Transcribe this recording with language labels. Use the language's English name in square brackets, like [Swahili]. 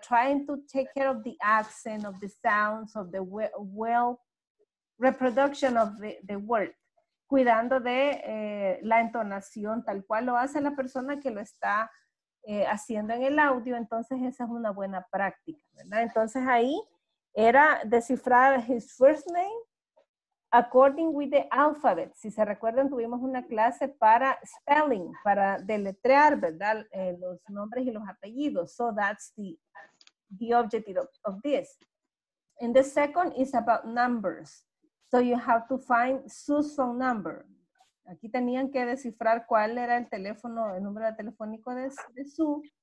[English] Trying to take care of the accent, of the sounds, of the well reproduction of the word. [Spanish] Cuidando de la entonación, tal cual lo hace la persona que lo está haciendo en el audio. Entonces, esa es una buena práctica, ¿verdad? Entonces, ahí era descifrar [English] his first name according with the alphabet. [Spanish] Si se recuerdan, tuvimos una clase para spelling, para deletrear, ¿verdad? Los nombres y los apellidos. [English] So, that's the objective of this. And the second is about numbers. So you have to find Sue's phone number. [Spanish] Aquí tenían que descifrar cuál era el teléfono, el número telefónico de Sue.